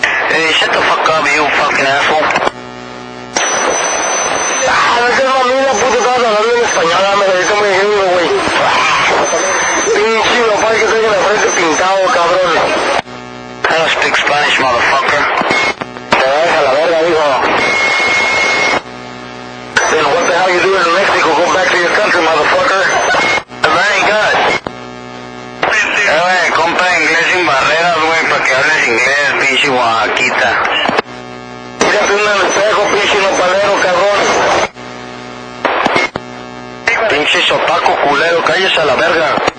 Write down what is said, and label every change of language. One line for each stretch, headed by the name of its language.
English: Hey, shut the fuck up, you fucking asshole.
Spanish: ¡Ah, no seas mamila, puto! ¡Estás hablando de español, me lo dice muy duro, güey. Pinche, no parece que tengo la frente pintado, cabrón.
English: I don't speak Spanish, motherfucker.
Spanish: Te vas a la verga, hijo.
English: Then what the hell you doing in Mexico? Go back to your country, motherfucker. Very good.
Spanish: Compra inglés sin barreras, güey, para que hables inglés, pinche Oaxaquita. Mírate en el espejo, pinche nopalero, cabrón. Pinche sopaco culero, cállese a la verga.